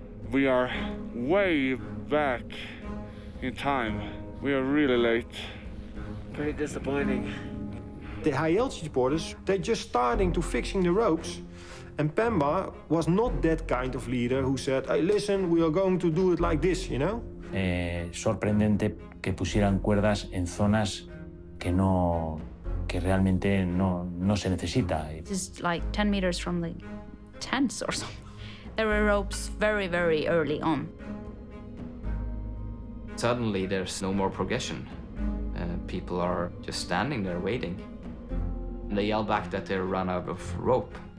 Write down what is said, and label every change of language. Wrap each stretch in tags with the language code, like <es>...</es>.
<en>We are way back in time. We are really late. Very disappointing. The high altitude porters, they're just starting to fixing the ropes. And Pemba was not that kind of leader who said, hey, listen, we are going to do it like this, you know?</en> <es>Sorprendente que pusieran cuerdas en zonas que realmente no se necesita.</es> <en>It's like 10 meters from the tents or something. There were ropes very, very early on. Suddenly there's no more progression. People are just standing there waiting. They yell back that they're run out of rope.</en>